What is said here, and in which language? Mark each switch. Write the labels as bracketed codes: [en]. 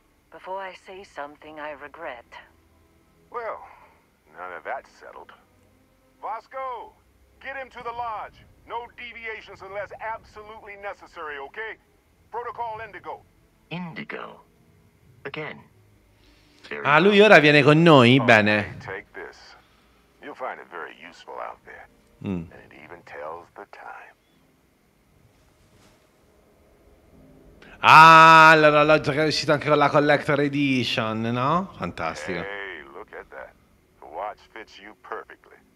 [en] Before I say something I regret. Well, none of that's settled. Vasco! Get him to the lodge. No deviations unless absolutely necessary, okay? Protocol Indigo. Indigo. Again. [it] Ah, lui ora viene con noi, bene. [en] Take this. You'll find it very useful out there. And it even tells the time. [it] Ah, l'orologio che è uscito anche con la Collector Edition, no? Fantastico. [en] Hey, look at that. The watch fits you perfectly.